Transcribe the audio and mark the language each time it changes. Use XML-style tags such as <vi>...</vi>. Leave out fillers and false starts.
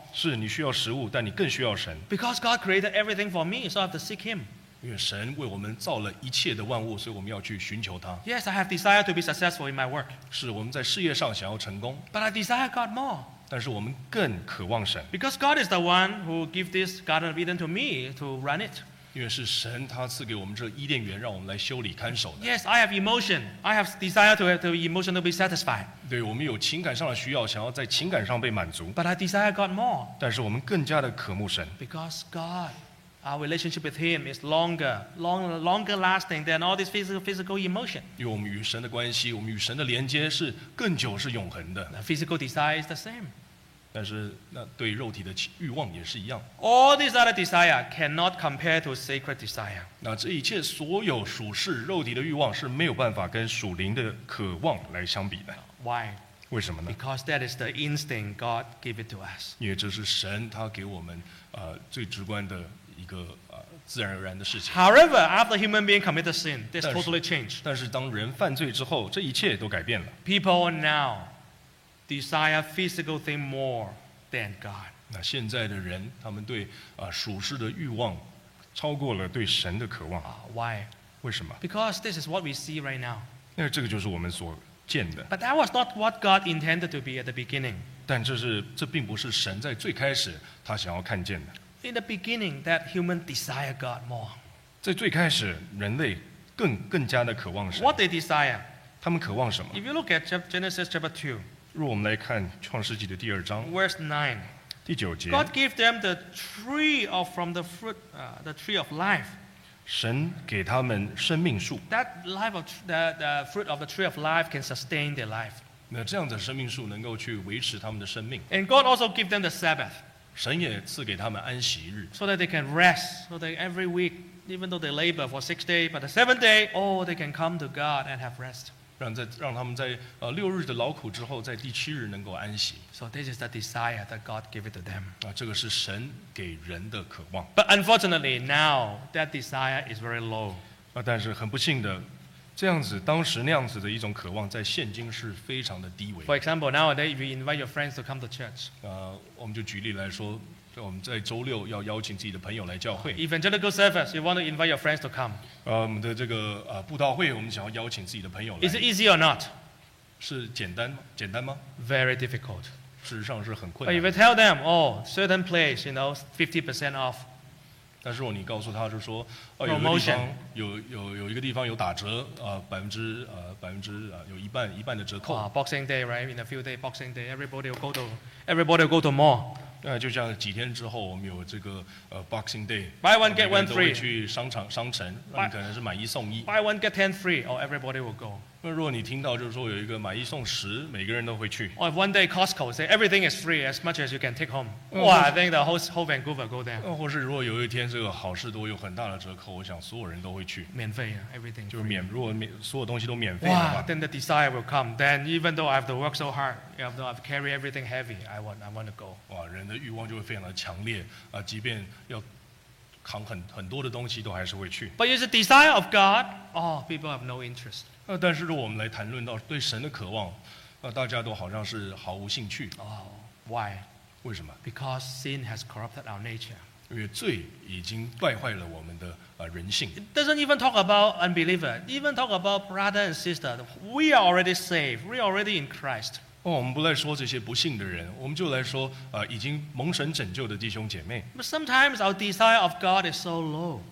<zh>是你需要食物，但你更需要神。</zh> <en>Because God created everything for me, so I have to seek Him.</en> <zh>因为神为我们造了一切的万物，所以我们要去寻求他。</zh> <en>Yes, I have desire to be successful in my work.</en> <zh>是我们在事业上想要成功。</zh> <en>But I desire God more.</en> <zh>但是我们更渴望神。</zh> <en>Because God is the one who gives this Garden of Eden to me to run it.</en> <zh>因为是神他赐给我们这伊甸园，让我们来修理看守的。</zh> <en>Yes, I have emotion. I have desire to emotion to be satisfied.</en> <zh>对，我们有情感上的需要，想要在情感上被满足。</zh> <en>But I desire God more.</en> <zh>但是我们更加的渴慕神。</zh> <en>Because God. Our relationship with Him is longer lasting than all this physical emotion.</en> <zh>与我们与神的关系，我们与神的连接是更久，是永恒的。</zh> <en>The physical desire is the same.</en> <zh>但是那对肉体的欲望也是一样。</zh> <en>All these other desire cannot compare to sacred desire.</en> <zh>那这一切所有属世肉体的欲望是没有办法跟属灵的渴望来相比的。</zh> <en>Why?</en> <zh>为什么呢？</zh> <en>Because that is the instinct God gave it to us.</en> <zh>因为这是神他给我们最直观的。一个自然而然的事情。</zh> <en>However, after human being committed sin, this totally changed.</en> <zh>但是当人犯罪之后，这一切都改变了。</zh> <en>People now desire physical thing more than God.</en> <zh>那现在的人，他们对属世的欲望超过了对神的渴望。</zh> <en>Why?</en> <zh>为什么？</zh> <en>Because this is what we see right now.</en> <zh>那这个就是我们所见的。</zh> <en>But that was not what God intended to be at the beginning.</en> <zh>但这并不是神在最开始他想要看见的。</zh> <en>In the beginning, that human desire God more.</en> <zh>在最开始，人类更加的渴望神。</zh> <en>What they desire?</en> <zh>他们渴望什么？</zh> <en>If you look at Genesis chapter 2,</en> <zh>若我们来看创世纪的第二章</zh> <en>，verse 9,</en> <zh>第九节</zh> <en>，God gave them the tree of from the fruit, the tree of life.</en> <zh>神给他们生命树。</zh> <en>That life of the fruit of the tree of life can sustain their life.</en> <zh>那这样的生命树能够去维持他们的生命。</zh> <en>And God also gave them the Sabbath.</en> <zh>神也赐给他们安息日</zh> <en>，so that they can rest. So that every week, even though they labor for 6 days, but the seventh day, oh, they can come to God and have rest.</en> <zh>让他们在六日的劳苦之后，在第七日能够安息。</zh> <en>So this is the desire that God gave it to them.</en> <zh>啊，这个是神给人的渴望。</zh> <en>But unfortunately, now that desire is very low.</en> <zh>啊，但是很不幸的，这样子当时那样子的一种渴望，在现今是非常的低微。</zh> <en>For example, nowadays if you invite your friends to come to church.</en> <zh>我们就举例来说，我们在周六要邀请自己的朋友来教会。</zh> <en>Evangelical service, you want to invite your friends to come.</en> <zh>我们的这个布道会，我们想要邀请自己的朋友来。</zh> <en>Is it easy or not?</en> <zh>是简单吗</zh> <en>？Very difficult.</en> <zh>事实上是很困难。</zh> <en>But if you tell them, oh, certain place, you know, 50% off.</en> <zh>但是如果你告诉他是说，有一个地方有一个地方有打折，有一半的折扣。</zh> <en>Boxing Day, right? In a few days, Boxing Day, everybody will go to mall.</en> <zh>就像几天之后，我们有这个Boxing Day.</zh> <en>Buy one get one free.</en> <zh>去商城，你可能是买一送一。</zh> <en>Buy one get ten free, or everybody will go.</en> <zh>那如果你听到就是说有一个买一送十，每个人都会去。</zh> <en>Or if one day Costco say everything is free as much as you can take home. Wow, I think the whole Vancouver go there.</en> <zh>或是如果有一天这个好事多有很大的折扣，我想所有人都会去。免费啊 ，</zh> <en>everything.</en> <zh>就是免，如果所有东西都免费的话。</zh> <en>Wow, then the desire will come. Then even though I have to work so hard, even though I have to carry everything heavy, I want to go.</en> <zh>哇，人的欲望就会非常的强烈啊，即便要。扛很多的东西都还是会去。</zh> <en>But is the desire of God? Oh, people have no interest.</en> <zh>但是如果我们来谈论到对神的渴望，大家都好像是毫无兴趣。</zh> <en>Oh, why?</en> <zh>为什么?</zh> <en>Because sin has corrupted our nature.</en> <zh>因为罪已经败坏了我们的人性。</zh> <en>It doesn't even talk about unbeliever. Even talk about brother and sister. We are already saved. We are already in Christ.</en> <zh>哦，我们不来说这些不幸的人，我们就来说已经蒙神拯救的弟兄姐妹。</zh> <en>But sometimes our desire of God is so low.</en>